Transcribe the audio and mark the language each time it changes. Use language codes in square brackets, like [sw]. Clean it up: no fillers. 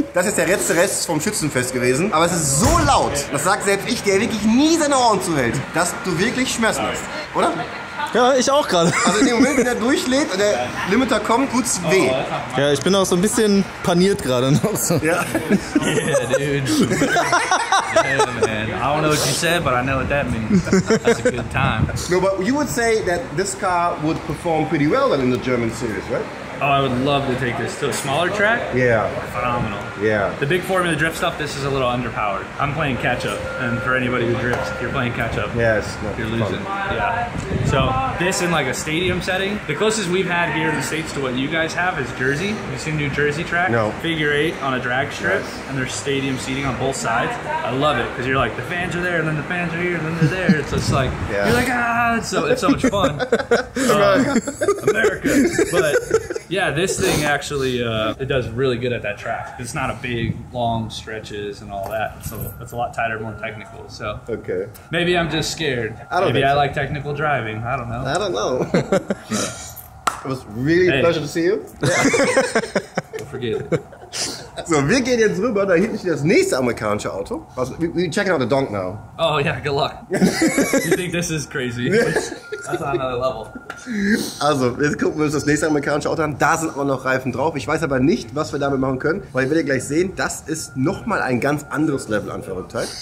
[de] Das ist der letzte Rest vom Schützenfest gewesen. Aber es ist so laut, das sagt selbst ich, der wirklich nie seine Ohren zuhält, dass du wirklich Schmerzen hast. Oder? Ja, ich auch gerade. Also in dem Moment, wenn der durchlädt und der Limiter kommt, tut's weh. Ja, ich bin auch so ein bisschen paniert gerade noch so. Ja. [en] Yeah, dude. Yeah, man. I don't know what you said, but I know what that means. That's a good time. No, but you would say that this car would perform pretty well in the German series, right? Oh, I would love to take this to a smaller track. Yeah. Phenomenal. Yeah. The big formula drift stuff, this is a little underpowered. I'm playing catch up, and for anybody who drifts, if you're playing catch up, yes, you're losing. Fun. Yeah. So this in like a stadium setting, the closest we've had here in the States to what you guys have is Jersey. Have you seen New Jersey track? No. Figure eight on a drag strip, yes. And there's stadium seating on both sides. I love it, because you're like, the fans are there, and then the fans are here, and then they're there. It's just like, yeah. You're like, ah, it's so much fun. America. But yeah, this thing actually, it does really good at that track. It's not a big, long stretches and all that. So it's a lot tighter, more technical. So okay. Maybe I'm just scared. I don't think so. Like technical driving. I don't know. I don't know. It was really a pleasure to see you. Don't forget it. [de] So, wir gehen jetzt rüber, da hinten steht das nächste amerikanische Auto. [en] We checking out the donk now. Oh yeah, good luck. You think this is crazy? That's on another level. [de] Also, jetzt gucken wir uns das nächste amerikanische Auto an. Da sind auch noch Reifen drauf. Ich weiß aber nicht, was wir damit machen können, weil ihr werdet gleich sehen, das ist nochmal ein ganz anderes Level an Verrücktheit.